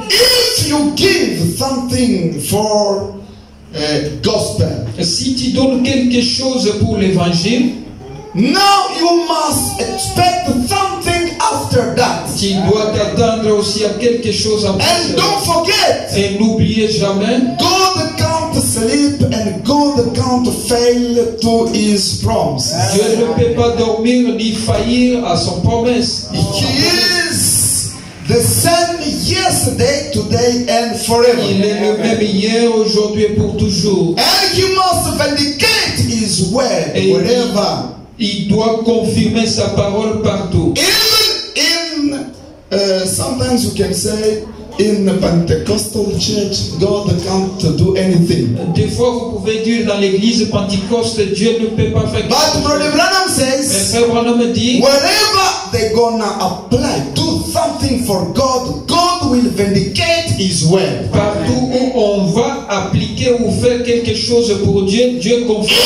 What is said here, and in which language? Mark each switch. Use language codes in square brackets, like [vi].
[en] If you give something for gospel. [fr] Si tu donnes quelque chose pour l'évangile. [en] Now you must expect something after that. [fr] Tu dois t'attendre aussi à quelque chose après. [en] And don't forget. [fr] Et n'oubliez jamais. [en] God can't sleep and God can't fail to his promise. [fr] Dieu ne peut pas dormir ni faillir à son promesse. [en] He is the same yesterday, today and forever. [fr] Il est le même hier, aujourd'hui et pour toujours. [en] And he must vindicate his word wherever. [fr] Il doit confirmer sa parole partout. [en] Even in sometimes you can say In the Pentecostal church, God can't do anything. [fr] Des fois, vous pouvez dire dans l'église pentecôte, Dieu ne peut pas faire. [en] But Brother Branham says, wherever they're gonna apply, do something for God, God will vindicate His word. [fr] Partout où on va appliquer ou faire quelque chose pour Dieu, Dieu confirme.